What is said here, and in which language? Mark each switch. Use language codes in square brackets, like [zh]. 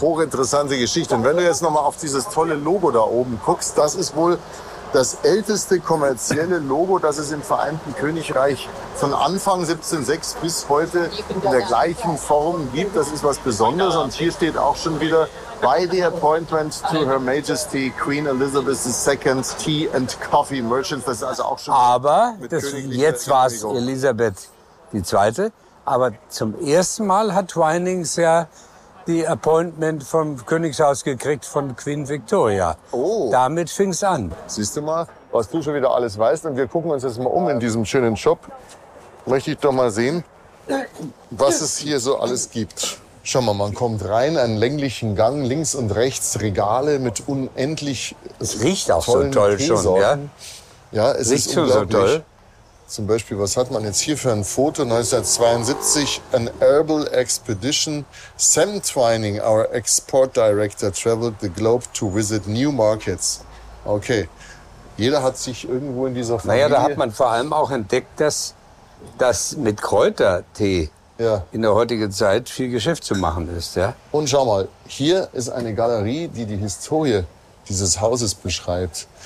[de] Hochinteressante Geschichte. Und wenn du jetzt nochmal auf dieses tolle Logo da oben guckst, das ist wohl das älteste kommerzielle Logo, das es im Vereinten Königreich von Anfang 1706 bis heute in der gleichen Form gibt. Das ist was Besonderes. Und hier steht auch schon wieder [en] by the appointment to Her Majesty Queen Elizabeth II's Tea and Coffee Merchants. [de] Das ist also auch schon. Aber das, jetzt war es Elisabeth II. Aber zum ersten Mal hat Twinings ja die Appointment vom Königshaus gekriegt von Queen Victoria. Oh. Damit fing's an. Siehst du mal, was du schon wieder alles weißt. Und wir gucken uns jetzt mal um in diesem schönen Shop. Möchte ich doch mal sehen, was es hier so alles gibt. Schau mal, man kommt rein, einen länglichen Gang, links und rechts Regale mit unendlich tollen Teesorten. Riecht auch so toll schon, ja? Ja, es riecht ist unglaublich. So toll. Zum Beispiel, was hat man jetzt hier für ein Foto? [en] 1972, an Herbal Expedition. Sam Twining, our Export Director, traveled the globe to visit new markets. [de] Okay, jeder hat sich irgendwo in dieser Familie... Naja, da hat man vor allem auch entdeckt, dass das mit Kräutertee ja in der heutigen Zeit viel Geschäft zu machen ist. Ja. Und schau mal, hier ist eine Galerie, die die Historie dieses Hauses beschreibt.